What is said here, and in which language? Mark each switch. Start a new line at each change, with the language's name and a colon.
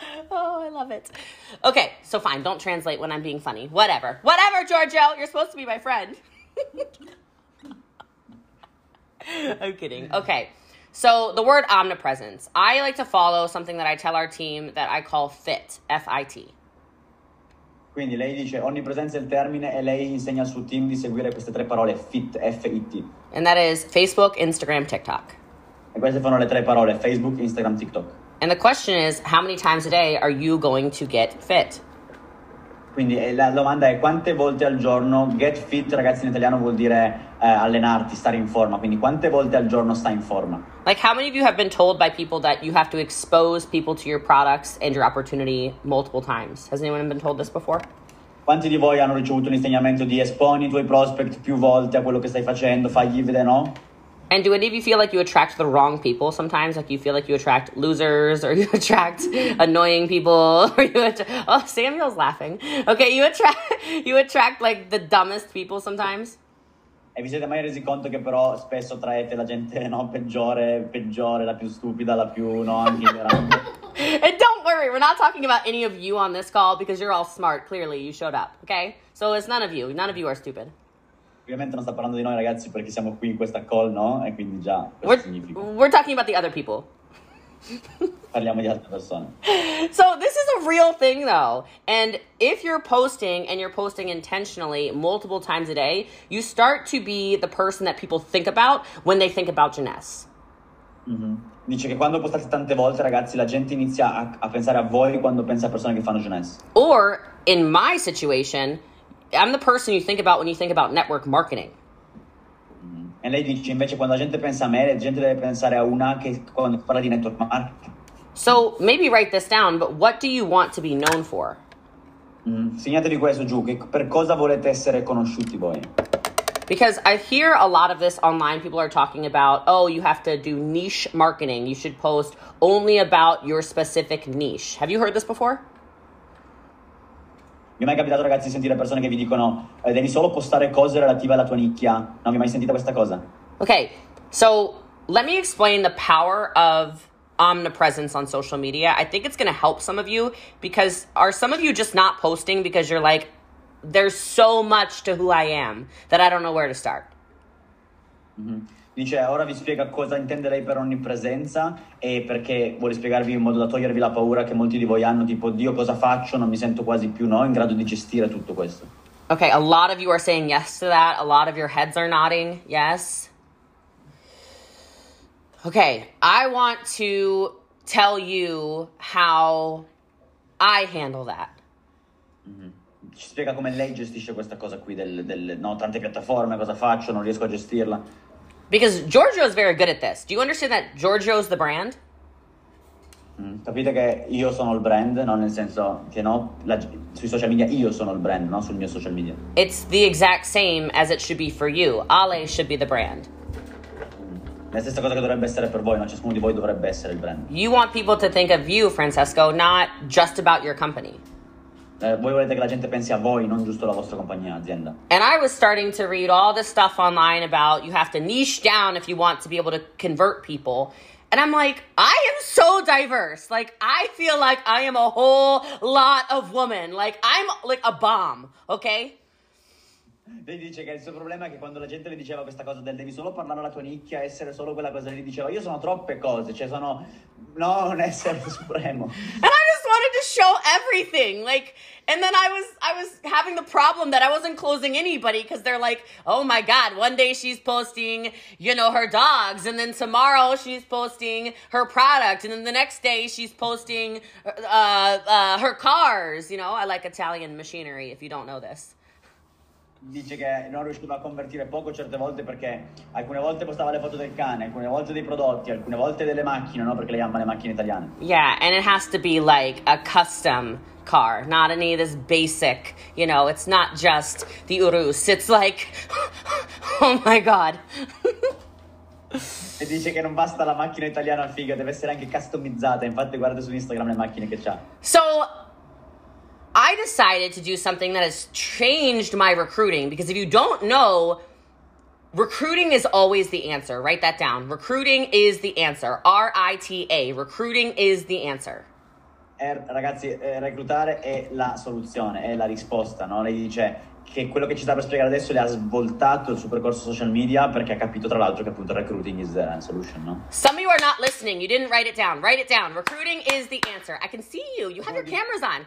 English: Oh, I love it. Okay, so fine, don't translate when I'm being funny. Whatever, Giorgio, you're supposed to be my friend. I'm kidding. Okay, so the word omnipresence. I like to follow something that I tell our team that I call FIT, F-I-T.
Italian: Quindi lei dice onnipresenza è il termine e lei insegna al suo team di seguire queste tre parole, FIT, F-I-T.
English: And that is Facebook, Instagram, TikTok.
Italian: E queste sono le tre parole, Facebook, Instagram, TikTok.
English: And the question is, how many times a day are you going to get fit?
Italian: Quindi la domanda è quante volte al giorno,
English: get fit
Italian: ragazzi in italiano vuol dire allenarti, stare in forma, quindi quante volte al giorno stai in forma?
English: Like how many of you have been told by people that you have to expose people to your products and your opportunity multiple times? Has anyone been told this before?
Italian: Quanti di voi hanno ricevuto un insegnamento di esponi i tuoi prospect più volte a quello che stai facendo, fagli vedere, no?
English: And do any of you feel like you attract the wrong people sometimes? Like you feel like you attract losers or you attract annoying people or you attract... Oh, Samuel's laughing. Okay, you attract like the dumbest people sometimes.
Italian: E vi siete mai resi conto che però spesso traete la gente, no, peggiore, la più stupida, la più, no, ignorante.
English: And don't worry, we're not talking about any of you on this call because you're all smart, clearly, you showed up, okay? So it's none of you. None of you are stupid.
Italian: Ovviamente non sta parlando di noi ragazzi perché siamo qui in questa call, no? E quindi già,
English: we're talking about the other people.
Italian: Parliamo di altre persone.
English: So this is a real thing though. And if you're posting and you're posting intentionally multiple times a day, you start to be the person that people think about when they think about Jeunesse. Mm-hmm.
Italian: Dice che quando postate tante volte ragazzi la gente inizia a pensare a voi quando pensa a persone che fanno Jeunesse.
English: Or in my situation, I'm the person you think about when you think about network marketing.
Italian: E lei dice invece quando la gente pensa a me, la gente deve pensare a una che quando parla di network marketing.
English: So maybe write this down, but what do you want to be known for?
Italian: Segnatevi questo giù, che per cosa volete essere conosciuti voi?
English: Because I hear a lot of this online, people are talking about, oh, you have to do niche marketing. You should post only about your specific niche. Have you heard this before?
Italian: Vi è mai capitato, ragazzi, di sentire persone che vi dicono devi solo postare cose relative alla tua nicchia? Non vi è mai sentita questa cosa?
English: Okay, so let me explain the power of omnipresence on social media. I think it's going to help some of you because are some of you just not posting because you're like, there's so much to who I am that I don't know where to start? Mm-hmm.
Italian: Dice, ora vi spiega cosa intende lei per onnipresenza e perché vuole spiegarvi in modo da togliervi la paura che molti di voi hanno, tipo, Dio, cosa faccio? Non mi sento quasi più, no, in grado di gestire tutto questo.
English: Okay, a lot of you are saying yes to that. A lot of your heads are nodding yes. Okay, I want to tell you how I handle that.
Italian: Ci spiega come lei gestisce questa cosa qui del no, tante piattaforme, cosa faccio, non riesco a gestirla.
English: Because Giorgio is very good at this. Do you understand that Giorgio is the brand?
Italian: Capite che io sono il brand, no? Nel senso che no, la, sui social media io sono il brand, no? Sul mio social media.
English: It's the exact same as it should be for you. Ale should be the brand.
Italian: La stessa cosa che dovrebbe essere per voi, no? Ciascuno di voi dovrebbe essere il brand.
English: You want people to think of you, Francesco, not just about your company.
Italian: Voi volete che la gente pensi a voi, non giusto la vostra compagnia, azienda.
English: And I was starting to read all this stuff online about you have to niche down if you want to be able to convert people. And I'm like, I am so diverse. Like, I feel like I am a whole lot of woman. Like, I'm like a bomb, okay?
Italian: Lei dice che il suo problema è che quando la gente le diceva questa cosa del devi solo parlare alla tua nicchia, essere solo quella cosa, gli diceva, io sono troppe cose, cioè sono, no, un essere supremo.
English: And I just wanted to show everything, like, and then I was having the problem that I wasn't closing anybody, because they're like, oh my god, one day she's posting, you know, her dogs, and then tomorrow she's posting her product, and then the next day she's posting her cars, you know, I like Italian machinery, if you don't know this.
Italian: Dice che non riusciva a convertire poco certe volte perché alcune volte postava le foto del cane, alcune volte dei prodotti, alcune volte delle macchine, no? Perché lei ama le macchine italiane.
English: Yeah, and it has to be like a custom car, not any of this basic, you know, it's not just the Urus, it's like, oh my god.
Italian: E dice che non basta la macchina italiana figa, deve essere anche customizzata, infatti guarda su Instagram le macchine che c'ha.
English: So I decided to do something that has changed my recruiting, because if you don't know, recruiting is always the answer. Write that down. Recruiting is the answer. RITA. Recruiting is the answer.
Italian: Ragazzi, reclutare è la soluzione, è la risposta, no? Lei dice che quello che ci sta per spiegare adesso le ha svoltato il suo percorso social media, perché ha capito tra l'altro che appunto
English: recruiting is the solution,
Italian: no?
English: Some of you are not listening. You didn't write it down. Write it down. Recruiting is the answer. I can see you. You have your cameras on.